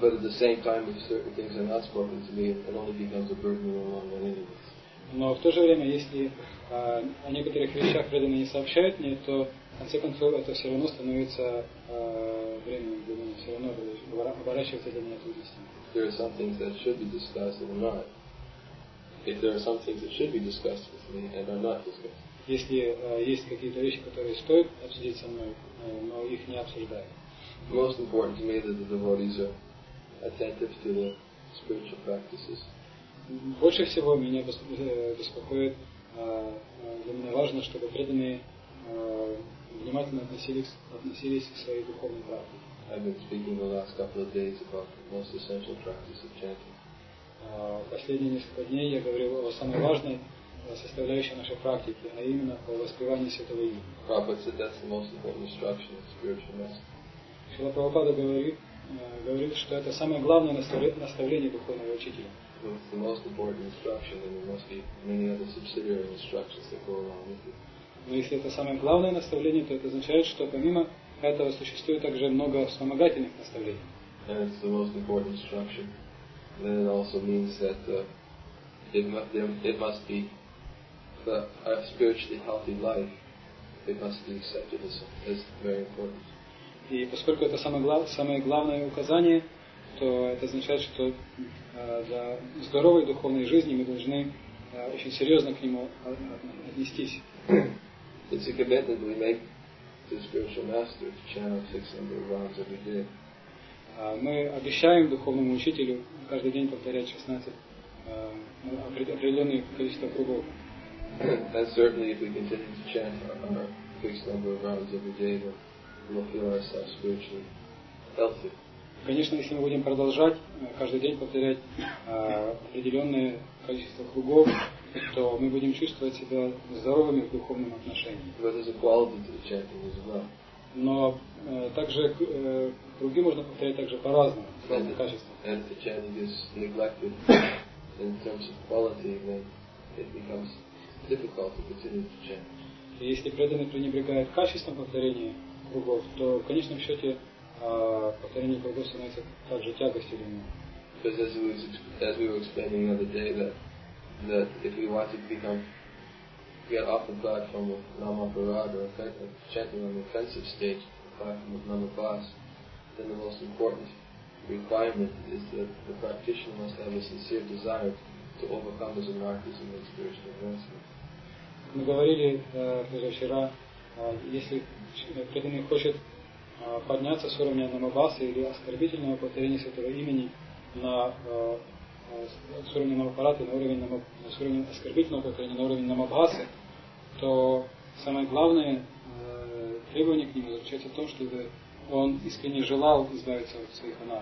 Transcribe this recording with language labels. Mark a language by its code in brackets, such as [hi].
[en] But at the same time, if certain things are not spoken to me, it only becomes a burden on one anyways. [ru] Но в то же время, если о некоторых вещах преданные не сообщают мне, то, в конце концов, это все равно становится временем для меня, все равно оборачивается для меня трудностями. [en] If there are some things that should be discussed and are not, if there are some things that should be discussed with me and are not discussed. [ru] Если есть какие-то вещи, которые стоит обсудить со мной, но их не обсуждают. [en] Most important to me that the devotees are attentive to the spiritual practices. [ru] Больше всего меня беспокоит, для меня важно, чтобы преданные внимательно относились к своей духовной практике. [en] I've been speaking the last couple of days about the most essential practice of chanting. [ru] Последние несколько дней я говорил о самой важной составляющей нашей практики, а именно о воспевании святого имени. [en] Prabhupada said that's the most important instruction of spiritual master. [ru] Шрила Прабхупада говорит, что это самое главное наставление духовного учителя. [en] It's the most important instruction, and there must be many other subsidiary instructions that go along with it. [ru] Но если это самое главное наставление, то это означает, что помимо этого существует также много вспомогательных наставлений. [en] And it's the most important instruction. Then it also means that it must be a spiritually healthy life. It must be accepted as very important. [ru] И поскольку это самое главное указание, то это означает, что для здоровой духовной жизни мы должны очень серьезно к нему отнестись. [en] It's a commitment we make. The spiritual master to chant 600 rounds every day. [ru] Мы обещаем духовному учителю каждый день повторять 16 определенное количество кругов. [en] And certainly, if we continue to chant our fixed number of rounds every day, then we'll feel ourselves spiritually healthy. [ru] Конечно, если мы будем продолжать каждый день повторять определенное количество кругов, то мы будем чувствовать себя здоровыми в духовном отношении. [en] But there's a quality to the chanting as well. [ru] Но также круги можно повторять также по-разному, в разных качествах. [en] And if the chanting is neglected in terms of quality, then it becomes difficult to continue to chant. [ru] И если преданный пренебрегает качеством повторения кругов, то в конечном счете повторение кругов становится также тягостью для него. [en] Because as we were explaining the other day, that if you want to become get off the platform of Nama Parada or chanting on the offensive stage, the platform of Nama Vas, then the most important requirement is that the practitioner must have a sincere desire to overcome his anarchism and his spiritual advancement. [ru] Мы говорили позавчера, если преданный хочет подняться с уровня намабаса или оскорбительного повторения святого имени на с уровня намапараты, с уровня оскорбительного повторения на уровень намабасы, то самое главное требование к нему заключается в том, чтобы он искренне желал избавиться от своих